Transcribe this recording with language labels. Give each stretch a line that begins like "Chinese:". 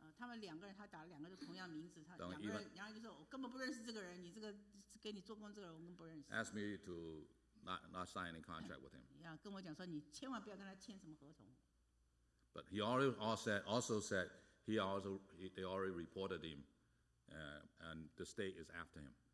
Chinese: 他们两个人，他打了两个同样名字，他两个人，然后就说，我根本不认识这个人，你这个给你做工这个人，我根本不认识。
English: Ask me to not sign any contract with him.
Chinese: 跟我讲说，你千万不要跟他签什么合同。
English: But he already also said they already reported him, and the state is after him.